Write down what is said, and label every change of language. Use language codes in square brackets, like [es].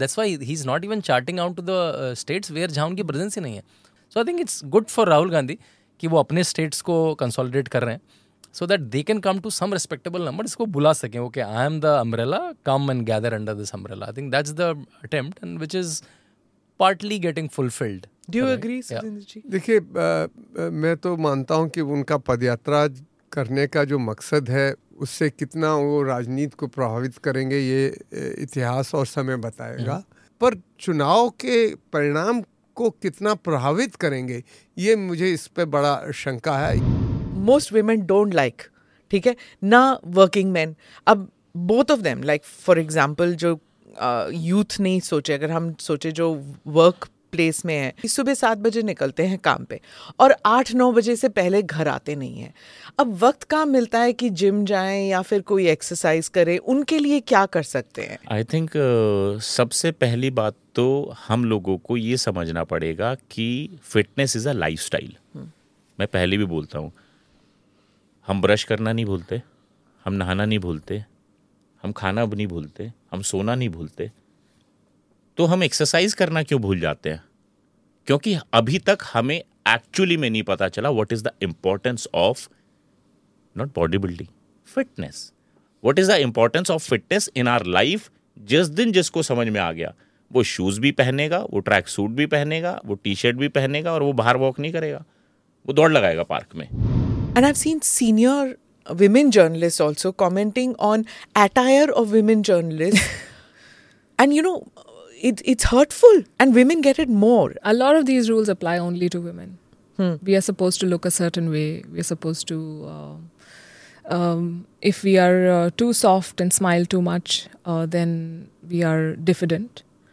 [en] That's why he's not even charting out to the states where [hi] jahan unki presence hi nahi hai. [en] So I think it's good for Rahul Gandhi [hi] ki wo apne states ko consolidate kar rahe hain. [en] So that they can come to some respectable numbers, [hi] go bula sake. [en] Okay, I am the umbrella, come and gather under this umbrella. I think that's the attempt, and which is partly getting fulfilled. Do you agree, Sujindji? [hi] देखिए, मैं तो मानता हूँ कि उनका पदयात्रा करने का जो मकसद है, उससे कितना वो राजनीति को प्रभावित करेंगे, ये इतिहास और समय बताएगा. पर चुनाव के परिणाम को कितना प्रभावित करेंगे, ये मुझे इस पे बड़ा शंका है. [en] Most women don't like, [hi] ठीक है, ना [en] working men. [hi] अब [en] both of them, like for example, [hi] जो youth नहीं सोचे, अगर हम सोचे जो workplace में है, सुबह 7 बजे निकलते हैं काम पे और 8-9 बजे से पहले घर आते नहीं हैं. अब वक्त कहाँ मिलता है कि जिम जाएं या फिर कोई एक्सरसाइज करें, उनके लिए क्या कर सकते हैं? [en] I think [hi] सबसे पहली बात तो हम लोगों को ये समझना पड़ेगा कि [en] Fitness is a lifestyle. [hi] मैं पहले भी बोलता हूँ, हम ब्रश करना नहीं भूलते, हम नहाना नहीं भूलते, हम खाना नहीं भूलते, हम सोना नहीं भूलते, तो हम एक्सरसाइज करना क्यों भूल जाते हैं? क्योंकि अभी तक हमें एक्चुअली में नहीं पता चला [en] what is the importance of not body building, [hi] fitness. [en] what is the importance of fitness in our life, [hi] जिस दिन जिसको समझ में आ गया, वो शूज़ भी पहनेगा, वो ट्रैक सूट भी पहनेगा, वो टी शर्ट भी पहनेगा और वो बाहर वॉक नहीं करेगा, वो दौड़ लगाएगा पार्क में. [en] And I've seen senior women journalists also commenting on attire of women journalists. And you know, it's hurtful. And women get it more. A lot of these rules apply only to women. We are supposed to look a certain way. We are supposed to, if we are too soft and smile too much, then we are diffident.